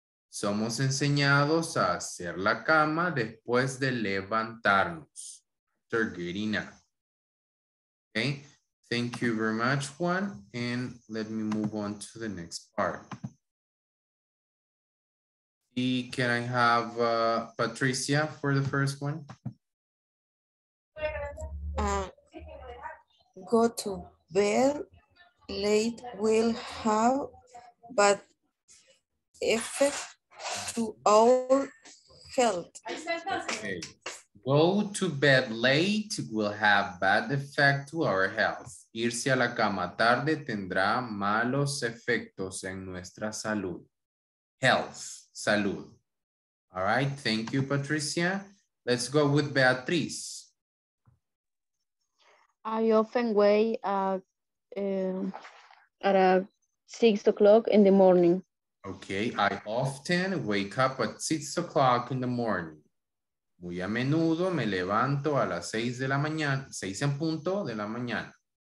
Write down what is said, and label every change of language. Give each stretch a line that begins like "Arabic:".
Spanish: Somos enseñados a hacer la cama después de levantarnos.
English: After getting up. Okay. Thank you very much, Juan. And let me move on to the next part. Y can I have Patricia for the first one? Go to bed late will have bad effect to our health. Okay. Go to bed late will have bad effect to our health.
Spanish: Irse a la cama tarde tendrá malos efectos en nuestra salud.
English: Health. Salud. All right. Thank you, Patricia. Let's go with Beatriz. I often wake at 6 o'clock in the morning. Okay, I often wake up at 6 o'clock in the morning.
Spanish: Muy a menudo me levanto a las 6 de la mañana, 6 en punto de la mañana.